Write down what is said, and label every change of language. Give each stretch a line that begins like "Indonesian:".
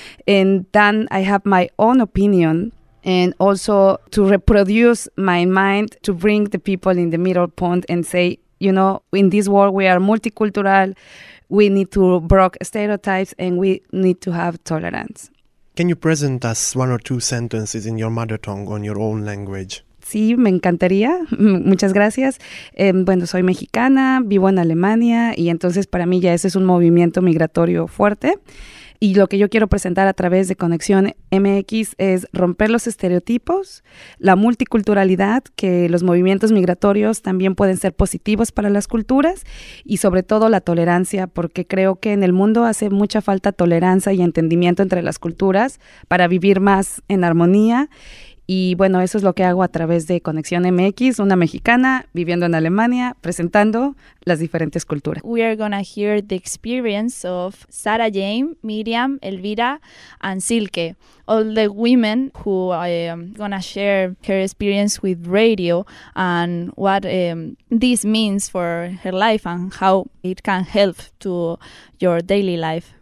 English: And then I have my own opinion, and also to reproduce my mind, to bring the people in the middle point and say, you know, in this world, we are multicultural, we need to break stereotypes and we need to have tolerance. Can you present us one or two sentences in your mother tongue on your own language?
Spanish: Sí, me encantaría. Muchas gracias. Bueno, soy mexicana, vivo en Alemania y entonces para mí ya ese es un movimiento migratorio fuerte. Y lo que yo quiero presentar a través de Conexión MX es romper los estereotipos, la multiculturalidad, que los movimientos migratorios también pueden ser positivos para las culturas y sobre todo la tolerancia, porque creo que en el mundo hace mucha falta tolerancia y entendimiento entre las culturas para vivir más en armonía. Y bueno, eso es lo que hago a través de Conexión MX, una mexicana viviendo en Alemania, presentando las diferentes culturas.
English: We are going to hear the experience of Sara Jane, Miriam, Elvira, and Silke, all the women who are going to share her experience with radio and what this means for her life and how it can help to your daily life.